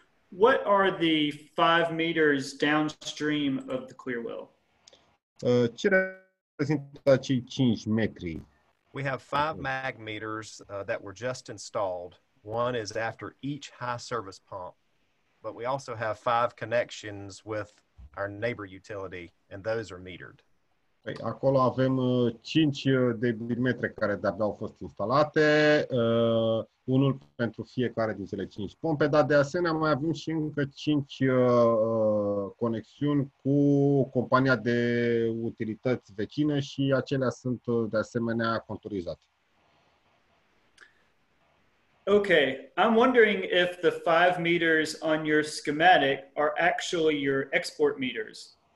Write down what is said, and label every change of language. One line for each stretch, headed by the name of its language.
English: What are the 5 meters downstream of the clear well?
Romanian: Ce reprezintă cei 5 metri?
English: We have 5 magmeters that were just installed. One is after each high service pump. But we also have 5 connections with our neighbor utility, and those are metered.
Romanian: Păi, acolo avem 5 debitmetre care de-abia au fost instalate, unul pentru fiecare din cele 5 pompe, dar de asemenea mai avem și încă 5 conexiuni cu compania de utilități vecină și acelea sunt de asemenea conturizate.
English: Okay, I'm wondering if the 5 meters on your schematic are actually your export meters.